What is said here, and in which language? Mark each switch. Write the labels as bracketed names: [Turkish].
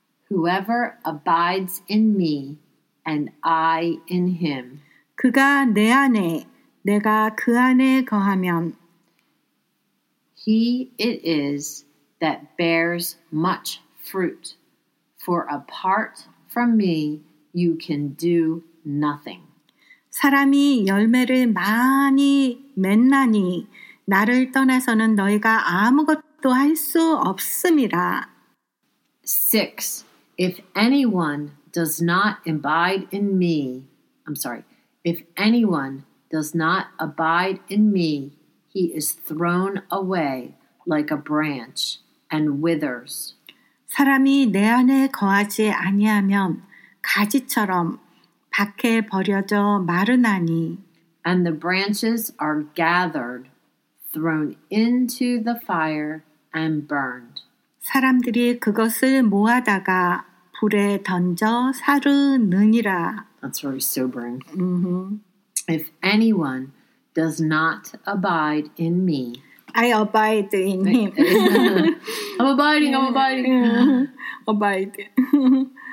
[English] Whoever abides in me and I in him. [Korean] 그가 내 안에, 내가 그 안에 거하면. [English] He it is that bears much fruit. For apart from me, you can do nothing. [Korean] 사람이 열매를 많이 맺나니 나를 떠나서는 너희가 아무것도 할 수 없음이라. 6. [English] If anyone does not abide in me, if anyone does not abide in me, he is thrown away like a branch and withers. [Korean] 사람이 내 안에 거하지 아니하면 가지처럼 밖에 버려져 마르나니. [English] And the branches are gathered, thrown into the fire and burned. [Korean] 사람들이 그것을 모아다가 불에 던져 사르느니라. [English] That's very sobering. Mm-hmm. If anyone does not abide in me. I abide in him. I'm abiding.